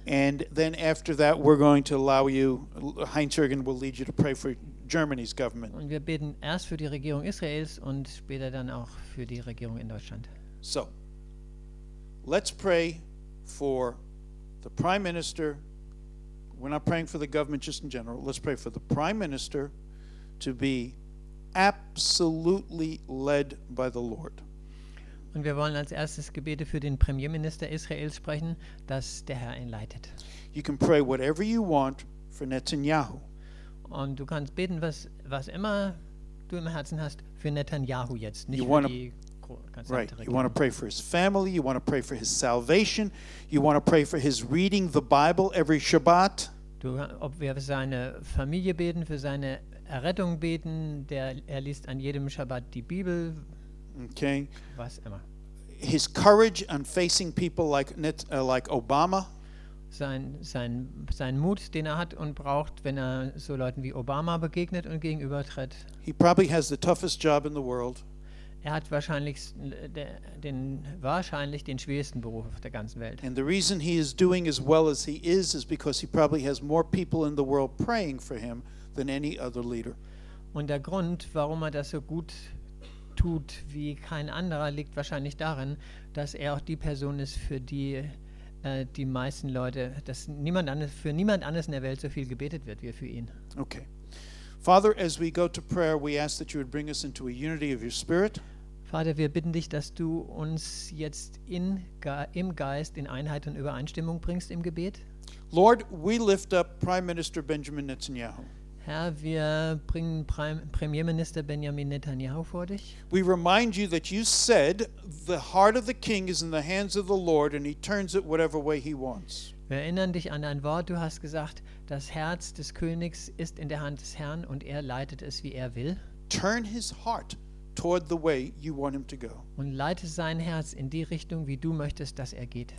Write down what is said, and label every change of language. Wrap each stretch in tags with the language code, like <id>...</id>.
<en>And then after that we're going to allow you, Heinz Jürgen will lead you to pray for Germany's government.</en> <de>Und wir beten erst für die Regierung Israels und später dann auch für die Regierung in Deutschland.</de> <en>So, let's pray for the Prime Minister. We're not praying for the government just in general. Let's pray for the Prime Minister to be absolutely led by the Lord.</en> <de>Und wir wollen als erstes Gebete für den Premierminister Israels sprechen, dass der Herr ihn leitet.</de> <en>You can pray whatever you want for Netanyahu.</en> <de>Und du kannst beten, was immer du im Herzen hast für Netanyahu jetzt, nicht für die ganze</de> <en>Right. Regierung. You want to pray for his family, you want to pray for his salvation, you want to pray for his reading the Bible every Shabbat.</en> <de>Du, ob wir für seine Familie beten, für seine Errettung beten, er liest an jedem Schabbat die Bibel.</de> <en>Okay.</en> <de>Was immer.</de> <en>His courage on facing people like Obama.</en> <de>Sein Mut, den er hat und braucht, wenn er so Leuten wie Obama begegnet und gegenübertritt.</de> <en>He probably has the toughest job in the world.</en> <de>Er hat wahrscheinlich den schwierigsten Beruf auf der ganzen Welt.</de> <en>And the reason he is doing as well as he is because he probably has more people in the world praying for him than any other leader.</en> <de>Und der Grund, warum er das so gut tut wie kein anderer, liegt wahrscheinlich darin, dass er auch die Person ist, für die die meisten Leute, dass niemand anders in der Welt so viel gebetet wird wie für ihn.</de> <en>Okay. Father, as we go to prayer, we ask that you would bring us into a unity of your spirit.</en> <de>Vater, wir bitten dich, dass du uns jetzt im Geist in Einheit und Übereinstimmung bringst im Gebet.</de> <en>Lord, we lift up Prime Minister Benjamin Netanyahu.</en> <de>Herr, wir bringen Premierminister Benjamin Netanyahu vor dich.</de> <en>We remind you that you said the heart of the king is in the hands of the Lord and he turns it whatever way he wants.</en> <de>Wir erinnern dich an dein Wort, du hast gesagt, das Herz des Königs ist in der Hand des Herrn und er leitet es, wie er will.</de> <en>Turn his heart toward the way you want him to go.</en> <de>Und leite sein Herz in die Richtung, wie du möchtest, dass er geht.</de>